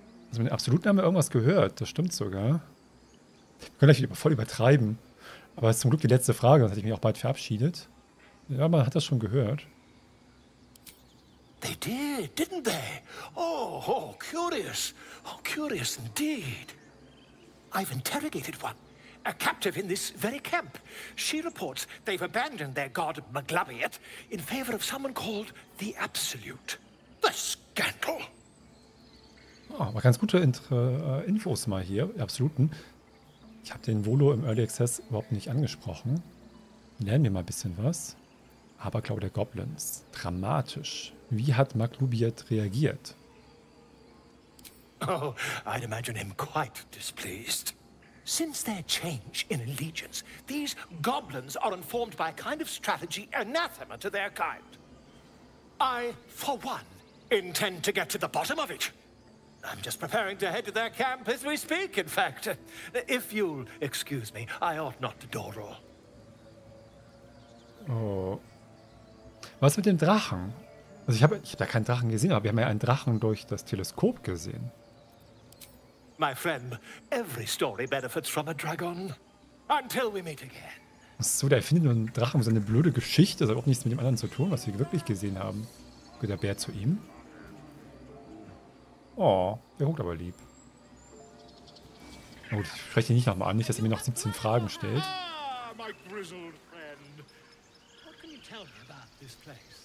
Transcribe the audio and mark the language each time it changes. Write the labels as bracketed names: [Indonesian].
[German] Also mit dem Absoluten haben wir irgendwas gehört, das stimmt sogar. Wir können gleich voll übertreiben. Aber es ist zum Glück die letzte Frage, sonst hätte ich mich auch bald verabschiedet. Ja, man hat das schon gehört. [English] They did, didn't they? Oh, oh, curious. Oh, curious indeed. I've interrogated one. A captive in this very camp. She reports they've abandoned their god, Maglabiot, in favor of someone called the Absolute. The scandal! [German] Oh, aber ganz gute Infos mal hier, Absoluten. Ich habe den Volo im Early Access überhaupt nicht angesprochen. Lernen wir mal ein bisschen was. Aberglau der Goblins. Dramatisch. Wie hat Maglubiet reagiert? [English] Oh, I'd imagine him quite displeased. Since their change in allegiance, these goblins are informed by a kind of strategy anathema to their kind. I, for one, intend to get to the bottom of it. I'm just preparing to head to their camp as we speak, in fact. If you'll excuse me, I ought not to dawdle. [German] Oh. Was mit dem Drachen? Also ich hab da keinen Drachen gesehen, aber wir haben ja einen Drachen durch das Teleskop gesehen. [English] My friend, every story benefits from a dragon. Until we meet again. [German] Achso, der erfindet nur einen Drachen, so eine blöde Geschichte. Das hat auch nichts mit dem anderen zu tun, was wir wirklich gesehen haben. Geht der Bär zu ihm? Oh, der guckt aber lieb. Na gut, ich spreche ihn nicht nochmal an, nicht, dass er mir noch 17 Fragen stellt. [English] Ah, my grizzled friend. What can you tell me about this place?